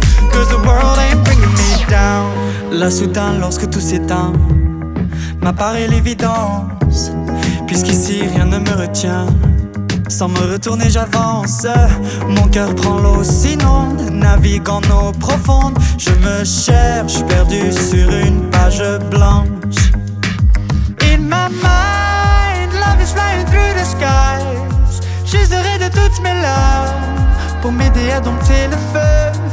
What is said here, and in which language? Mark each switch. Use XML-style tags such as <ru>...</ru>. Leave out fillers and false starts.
<en>Cause the world ain't bringing me down.</en> <fr>Là soudain lorsque tout s'éteint, m'apparaît l'évidence. Puisqu'ici rien ne me retient, sans me retourner j'avance. Mon cœur prend l'eau, sinon navigue en eau profonde. Je me cherche perdu sur une page blanche.</fr> <en>In my mind, love is flying through the skies.</en> <fr>J'userai de toutes mes larmes pour m'aider à dompter le feu.</fr>